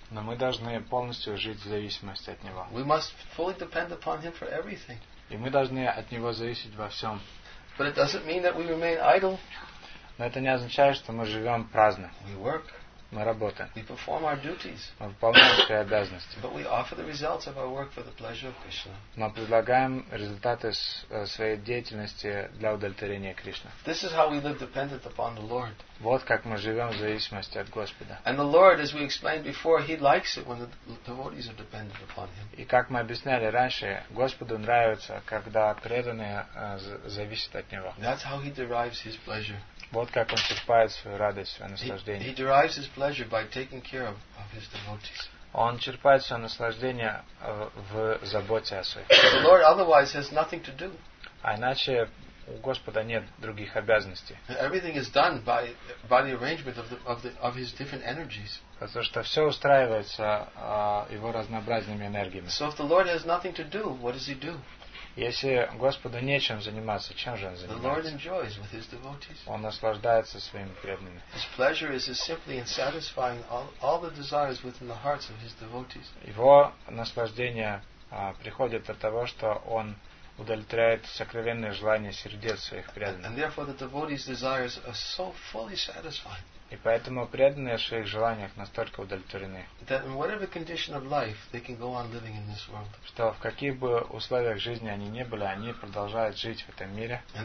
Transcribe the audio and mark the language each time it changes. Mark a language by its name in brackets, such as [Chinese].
[Russian] Но мы должны полностью жить в зависимости от него. [English] We must fully depend upon him for everything. [Russian] И мы должны от него зависеть во всем. [English] But it doesn't mean that we remain idle. [Russian] Но это не означает, что мы живем праздно. [English] We work. [Russian] Мы работаем. [English] We perform our duties. [Russian] Мы выполняем свои обязанности. [English] But we offer the results of our work for the pleasure of Krishna. [Russian] Мы предлагаем результаты своей деятельности для удовлетворения Кришны. [English] This is how we live dependent upon the Lord. [Russian] Вот как мы живем в зависимости от Господа. [English] And the Lord, as we explained before, he likes it when the devotees are dependent upon him. [Russian] И как мы объясняли раньше, Господу нравится, когда преданные зависят от него. [English] That's how he derives his pleasure. [Russian] Вот как он черпает свою радость, свое наслаждение. [English] He derives his pleasure by taking care of his devotees. [Russian] Он черпает свое наслаждение в заботе о своих. [English] The Lord otherwise has nothing to do. [Russian] А иначе у Господа нет других обязанностей. [English] Everything is done by the arrangement of his different energies. [Russian] Потому что все устраивается его разнообразными энергиями. [English] So if the Lord has nothing to do, what does he do? [Russian] Если Господу нечем заниматься, чем же он занимается? [English] The Lord enjoys with his devotees. [Russian] Он наслаждается своими преданными. [English] His pleasure is simply in satisfying all the desires within the hearts of his devotees. [Russian] Его наслаждение приходит от того, что он удовлетворяет сокровенные желания сердец своих преданных. [English] And therefore the devotees' desires are so fully satisfied. [Russian] И поэтому преданные в своих желаниях настолько удовлетворены, что в каких бы условиях жизни они ни были, они продолжают жить в этом мире.